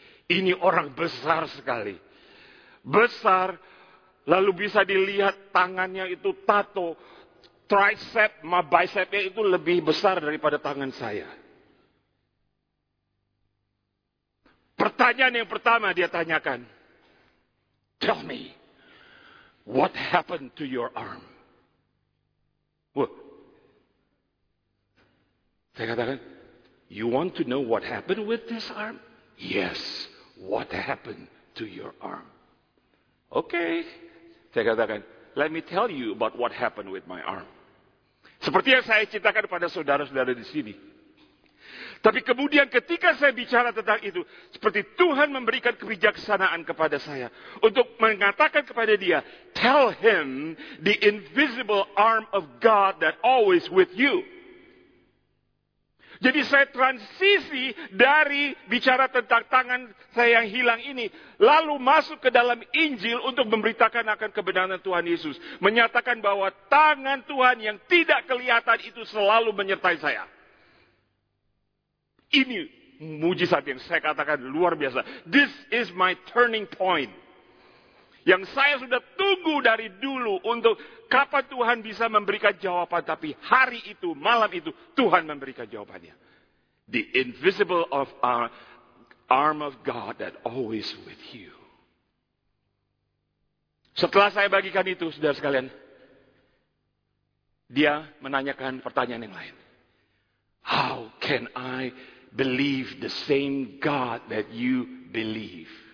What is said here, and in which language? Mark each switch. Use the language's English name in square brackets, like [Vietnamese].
[Indonesian] Ini orang besar sekali. Besar, lalu bisa dilihat tangannya itu tato, tricep, bicepnya itu lebih besar daripada tangan saya. Pertanyaan yang pertama dia tanyakan. [English] Tell me, what happened to your arm? Wah. [Indonesian] Saya katakan, [English] you want to know what happened with this arm? Yes, what happened to your arm? Okay, [Indonesian] saya katakan, [English] let me tell you about what happened with my arm. [Indonesian] Seperti yang saya ceritakan pada saudara-saudara di sini. Tapi kemudian ketika saya bicara tentang itu, seperti Tuhan memberikan kebijaksanaan kepada saya untuk mengatakan kepada dia, [English] tell him the invisible arm of God that always with you. [Indonesian] Jadi saya transisi dari bicara tentang tangan saya yang hilang ini, lalu masuk ke dalam Injil untuk memberitakan akan kebenaran Tuhan Yesus. Menyatakan bahwa tangan Tuhan yang tidak kelihatan itu selalu menyertai saya. Ini mujizat yang saya katakan luar biasa. [English] This is my turning point. [Indonesian] Yang saya sudah tunggu dari dulu untuk kapan Tuhan bisa memberikan jawaban. Tapi hari itu, malam itu, Tuhan memberikan jawabannya. [English] The invisible of our arm of God that always with you. [Indonesian] Setelah saya bagikan itu, saudara sekalian, dia menanyakan pertanyaan yang lain. [English] How can I believe the same God that you believe?